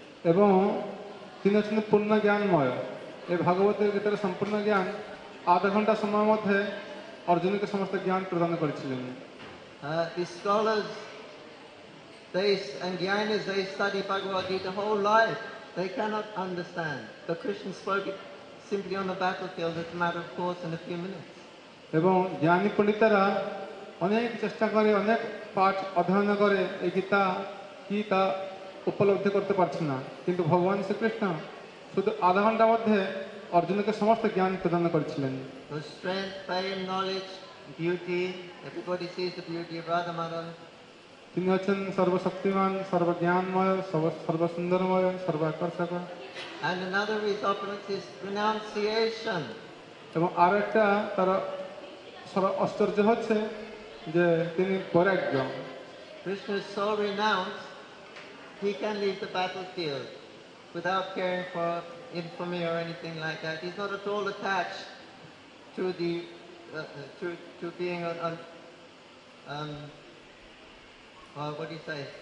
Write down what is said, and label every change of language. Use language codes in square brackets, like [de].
[bn] এবং তিনি হচ্ছেন পূর্ণ জ্ঞানময় এই ভাগবতের ভিতরে সম্পূর্ণ জ্ঞান আধা ঘন্টা সময়ের মধ্যে অর্জুনকে সমস্ত জ্ঞান প্রদান করেছিলেন [en] the scholars and jnanis, they study Bhagavad Gita whole life. They cannot understand. The Krishna spoke it simply on the battlefield. It's a matter of course in a few minutes. [bn] এবং জ্ঞানী পণ্ডিতরা অনেক চেষ্টা করে অনেক পাঠ অধ্যয়ন করে এই গীতা কি তা উপলব্ধি করতে পারছে না কিন্তু ভগবান শ্রীকৃষ্ণ শুধু আধা ঘন্টার মধ্যে অর্জুনকে সমস্ত জ্ঞান প্রদান করেছিলেন [en] The strength, fame, knowledge, beauty, everybody sees the beauty of Radha Madhava. [bn] তিনি হচ্ছেন সর্বশক্তিমান সর্বজ্ঞানময় সর্বসুন্দরময় সর্ব আকর্ষক [en] and another is opulence is renunciation [bn] এবং আর একটা তার সর অস্তর্য হচ্ছে যে তিনি বৈরাগ্য [en] Krishna is so renounced he can leave the battlefield without caring for infamy or anything like that he's not at all attached to the to being on what do you say?